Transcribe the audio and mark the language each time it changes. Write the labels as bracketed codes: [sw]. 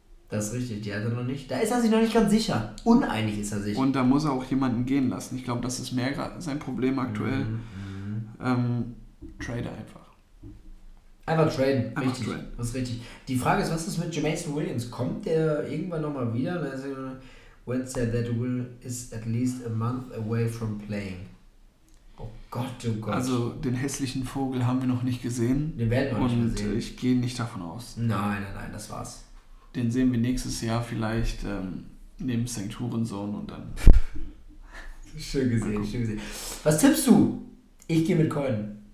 [de] Das ist richtig, die hat er noch nicht. Da ist er sich noch nicht ganz sicher. Uneinig ist er sich. Und da muss er auch jemanden gehen lassen. Ich glaube, das ist mehr sein Problem aktuell. Mm-hmm. Trader einfach. Einfach traden. Richtig. Einfach traden. Das ist richtig. Die Frage ist, was ist mit Jameson Williams? Kommt der irgendwann nochmal wieder? [en] When said that Will is at least a month away from playing. [de] Oh Gott. Also den hässlichen Vogel haben wir noch nicht gesehen. Den werden wir noch nicht gesehen. Und ich gehe nicht davon aus. Nein, das war's. Den sehen wir nächstes Jahr vielleicht neben St. Hurensohn und dann. Schön gesehen. Was tippst du? Ich gehe mit Köln.